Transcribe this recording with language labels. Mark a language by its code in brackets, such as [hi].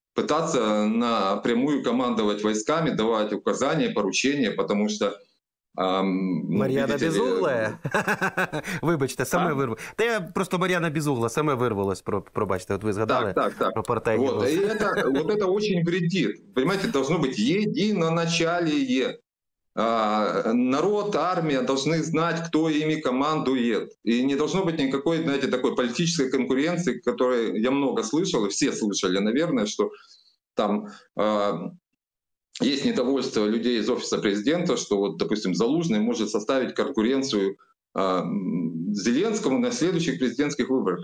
[ru] пытаться напрямую командовать войсками, давать указания, поручения, потому что [uk] Мар'яна Безугла? Вибачте, саме вирвалося. Та я просто Мар'яна Безугла, саме вирвалось, пробачте, от ви згадали про портегі. [ru] Вот это очень вредит. Понимаете, должно быть единоначалие. Народ, армия должны знать, кто ими командует. И не должно быть никакой, знаете, такой политической конкуренции, которую я много слышал, и все слышали, наверное, что там есть недовольство людей из офиса президента, что вот, допустим, Залужный может составить конкуренцию Зеленскому на следующих президентских выборах.